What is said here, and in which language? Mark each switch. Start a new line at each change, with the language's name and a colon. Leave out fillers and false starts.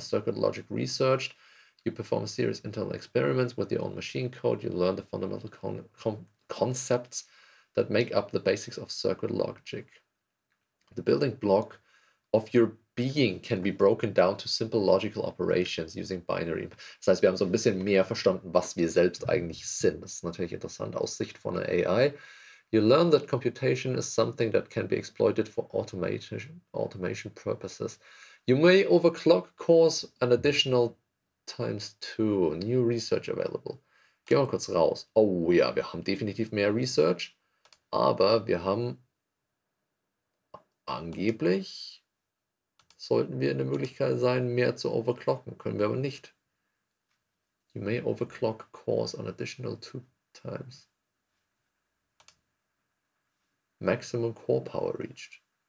English: Circuit logic researched. You perform a series of internal experiments with your own machine code. You learn the fundamental concepts that make up the basics of circuit logic. The building block of your being can be broken down to simple logical operations using binary.
German: Das heißt, wir haben so ein bisschen mehr verstanden, was wir selbst eigentlich sind. Das ist natürlich interessant aus Sicht von einer AI.
English: You learn that computation is something that can be exploited for automation purposes. You may overclock cores an additional times two. New research available.
German: Gehen wir kurz raus. Oh ja, wir haben definitiv mehr Research, aber wir haben angeblich sollten wir in der Möglichkeit sein, mehr zu overclocken. Können wir aber nicht.
English: You may overclock cores an additional two times. Maximum core power reached.